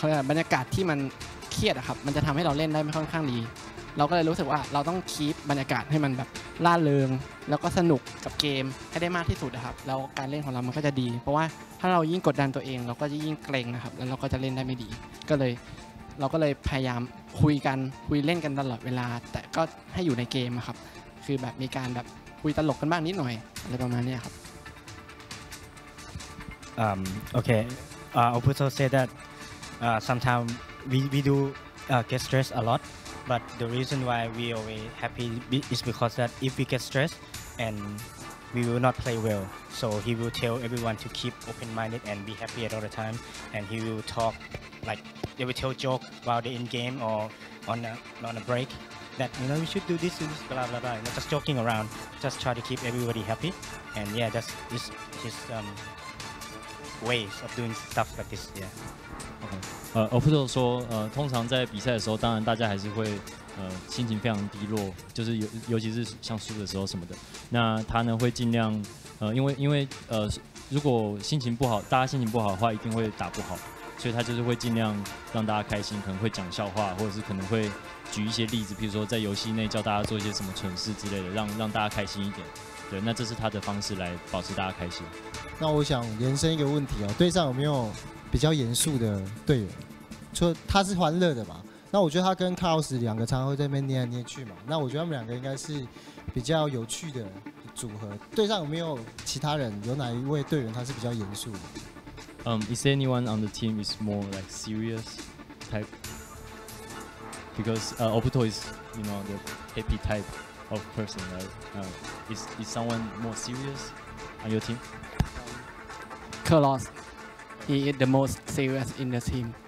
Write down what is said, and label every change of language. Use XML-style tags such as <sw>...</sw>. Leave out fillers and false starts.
<th>บรรยากาศที่มันเครียดครับมันจะทำให้เราเล่นได้ไม่ค่อนข้างดีเราก็เลยรู้สึกว่าเราต้องคีปบรรยากาศให้มันแบบร่าเริงแล้วก็สนุกกับเกมให้ได้มากที่สุดครับแล้วการเล่นของเรามันก็จะดีเพราะว่าถ้าเรายิ่งกดดันตัวเองเราก็จะยิ่งเกรงนะครับแล้วเราก็จะเล่นได้ไม่ดีเราก็เลยพยายามคุยเล่นกันตลอดเวลาแต่ก็ให้อยู่ในเกมครับคือแบบมีการแบบคุยตลกกันบ้างนิดหน่อยอะไรประมาณนี้ครับ</th> <en>Okay Oputo said that sometimes we do get stressed a lot, but the reason why we always happy is because that if we get stressed and we will not play well, so he will tell everyone to keep open minded and be happy at all the time, and he will talk like they will tell joke while they're in game or on a break. That you know we should do this, do this, blah blah blah. Just joking around, just try to keep everybody happy, and yeah, that's his ways of doing stuff like this. Yeah. Okay.</en> <zh>Opto 说，通常在比赛的时候，当然大家还是会心情非常低落，就是尤其是像输的时候什么的。那他呢会尽量因为如果心情不好，大家心情不好的话，一定会打不好，所以他就是会尽量让大家开心，可能会讲笑话，或者是可能会。举一些例子，比如说在游戏内教大家做一些什么蠢事之类的，让大家开心一点。对，那这是他的方式来保持大家开心。那我想延伸一个问题哦，队上有没有比较严肃的队员？说他是欢乐的嘛？那我觉得他跟 Carlos 两个常常会在那边捏来捏去嘛。那我觉得他们两个应该是比较有趣的组合。队上有没有其他人？有哪一位队员他是比较严肃的？</zh> <en>Is anyone on the team is more like serious type? Because Oputo is, you know, the happy type of person, right? Is someone more serious on your team? Carlos, he is the most serious in the team.</en>